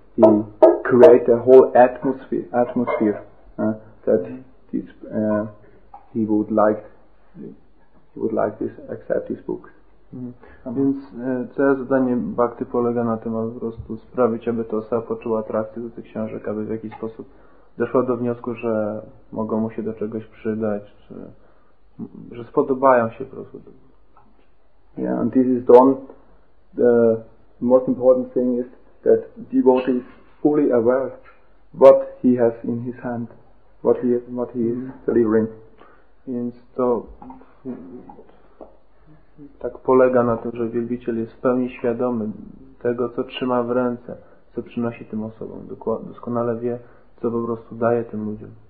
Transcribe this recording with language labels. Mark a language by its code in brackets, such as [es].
[en] He create a whole atmosphere that this he would like. He would like this, accept this book. [pl] Więc całe zadanie Bhakti polega na tym, aby po prostu sprawić, aby ta osoba poczuła atrakcję do tych książek, aby w jakiś sposób doszła do wniosku, że mogą mu się do czegoś przydać, czy, że spodobają się po prostu. [en] Yeah, and this is done. The most important thing is that devotee is fully aware what he has in his hand, what he is delivering. [pl] Więc to tak polega na tym, że wielbiciel jest w pełni świadomy tego, co trzyma w ręce, co przynosi tym osobom. Doskonale wie, co po prostu daje tym ludziom.